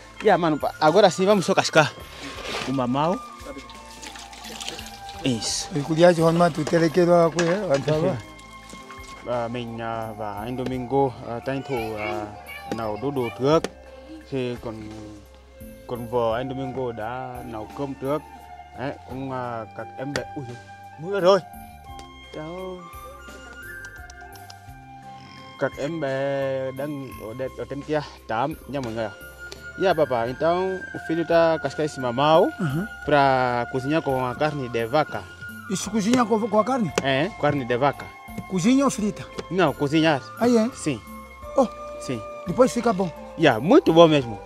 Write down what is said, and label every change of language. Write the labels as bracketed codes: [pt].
[pt] Yeah, mano, agora sim vamos só cascar. Uma mão. Isso. E cuida de honra, tu te requeiro a coisa, vai trabalhar. [vi] Mình và anh Domingo tranh thủ nấu đu đủ trước thì còn vợ anh Domingo đã nấu cơm trước đấy cũng các em bé ui mưa rồi cháu các em bé đang ở đẹp ở trên kia tám nha mọi người ạ. [pt] Yeah, papa, então o filho está cascando esse mamão para cozinhar com a carne de vaca. Isso cozinha com a carne? É, carne de vaca. Cozinha ou frita? Não, cozinhar. Aí é? Sim. Oh. Sim. Depois fica bom. Yeah, muito bom mesmo.